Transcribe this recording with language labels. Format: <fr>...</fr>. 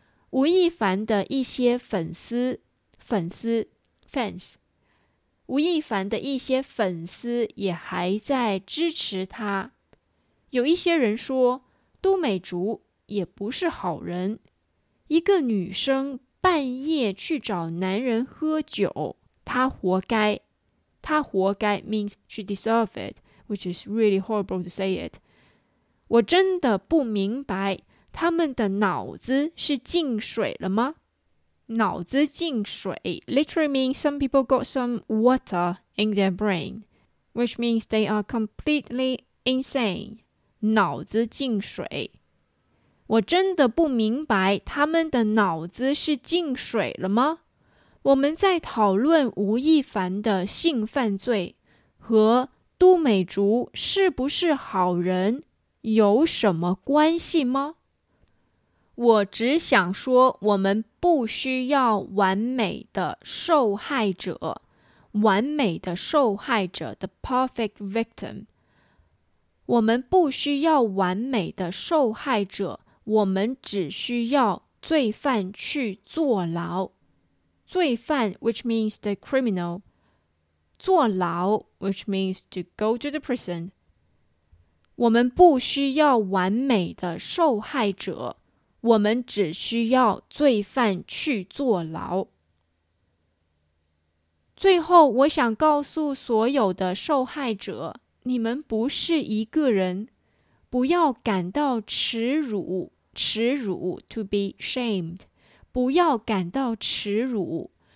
<zh>吴亦凡的一些粉丝 fans， 吴亦凡的一些粉丝也还在支持他。有一些人说都美竹也不是好人，一个女生半夜去找男人喝酒，她活该。她活该</zh> <en>means she deserve it， which is really horrible to say it。</en> <zh>我真的不明白他们的脑子是进水了吗？脑子进水</zh> <en>literally means some people got some water in their brain， which means they are completely insane。</en> <zh>脑子进水，我真的不明白他们的脑子是进水了吗？我们在讨论吴亦凡的性犯罪和都美竹是不是好人有什么关系吗？我只想说，我们不需要完美的受害者，完美的受害者</zh> <en>the perfect victim，</en> <zh>我们不需要完美的受害者，我们只需要罪犯去坐牢。罪犯</zh> <en>which means the criminal，</en> <zh>坐牢</zh> <en>which means to go to the prison。</en> <zh>我们不需要完美的受害者，我们只需要罪犯去坐牢。最后我想告诉所有的受害者，你们不是一个人，不要感到耻辱，耻辱</zh> <en>to be shamed，</en> <zh>不要感到耻辱。</zh>